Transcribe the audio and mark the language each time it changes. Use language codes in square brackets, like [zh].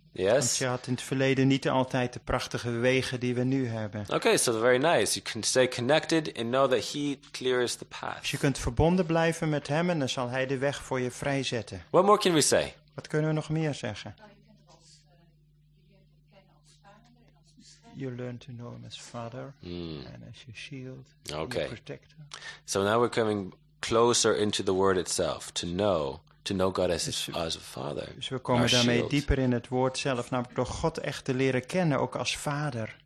[en] Yes? [nl] Want je had in het verleden niet altijd de prachtige wegen die we nu hebben. [en] Okay, so very nice. You can stay connected and know that he clears the path. [nl] Dus je kunt verbonden blijven met hem en dan zal hij de weg voor je vrijzetten. [en] What more can we say? [nl] Wat kunnen we nog meer zeggen? [en] You learn to know him as Father and as your shield, okay, your protector. So now we're coming closer into the word itself, to know God as as a Father. [nl] Dus we komen daarmee dieper in het woord zelf, namelijk door God echt te leren kennen, ook als Vader.